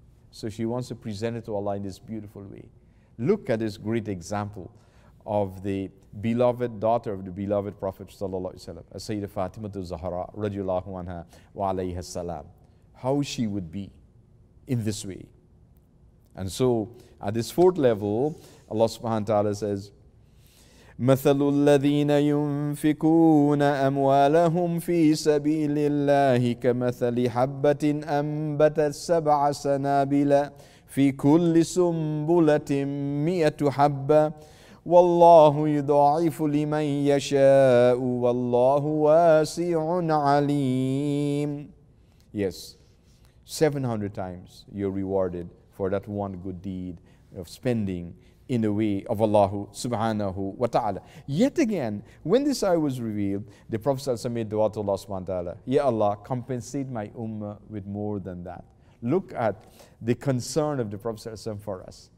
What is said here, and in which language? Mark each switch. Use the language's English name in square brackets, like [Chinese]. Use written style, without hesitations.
[English] So she wants to present it to Allah in this beautiful way. Look at this great example of the beloved daughter of the beloved Prophet sallallahu alaihi wasallam, Sayyidah Fatima az-Zahra radiyallahu anha wa alayha salam. How she would be in this way. And so at this fourth level, Allah subhanahu wa ta'ala says, [Arabic] مَثَلُ الَّذِينَ يُنْفِقُونَ أَمْوَالَهُمْ فِي سَبِيلِ اللَّهِ كَمَثَلِ حَبَّةٍ أَنْبَتَتْ سَبْعَ سَنَابِلَ فِي كُلِّ سُنْبُلَةٍ مِئَةُ حَبَّةٍ وَاللَّهُ يُضَاعِفُ لِمَنْ يَشَاءُ وَاللَّهُ وَاسِعٌ عَلِيمٌ. [English] Yes, 700 times you're rewarded for that one good deed of spending in the way of Allah subhanahu wa ta'ala. Yet again, when this ayah was revealed, the Prophet ﷺ made dua to Allah subhanahu wa ta'ala. Ya Allah, compensate my ummah with more than that. Look at the concern of the Prophet ﷺ for us.